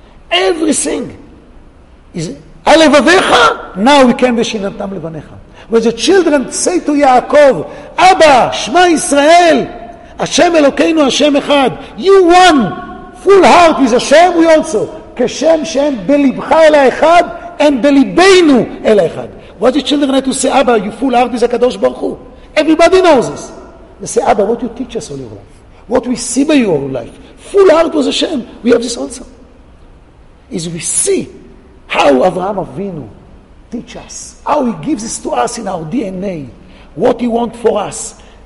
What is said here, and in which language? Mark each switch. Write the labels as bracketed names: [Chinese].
[English] Everything is alevavecha. Now we can "Veshinantam levanecha." When the children say to Yaakov, "Abba, Shema Yisrael, Hashem Elokeinu, Hashem Echad, you one full heart is Hashem, we also. [Hebrew] כשם שאין בליבך אלא אחד, אין בליבנו אלא אחד. [English] What the children had to say, Abba, you full heart is a Kadosh Baruch Hu. Everybody knows this. They say, Abba, what you teach us all your life? What we see by your life? Full heart was Hashem. We have this also. Is we see how Avraham Avinu teach us, how he gives this to us in our DNA, what he want for us.